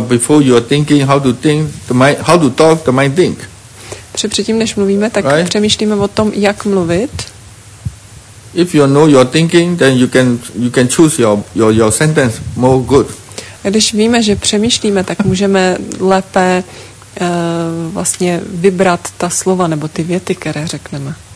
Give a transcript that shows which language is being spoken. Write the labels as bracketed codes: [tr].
[en] Before you are thinking how to think, how to talk, the mind think. [cs] Předtím, než mluvíme, tak [en] right? [cs] Přemýšlíme o tom, jak mluvit. [en] If you know your thinking, then you can choose your sentence more good. [cs] Když víme, že přemýšlíme, tak můžeme lépe vlastně vybrat ta slova nebo ty věty, které řekneme.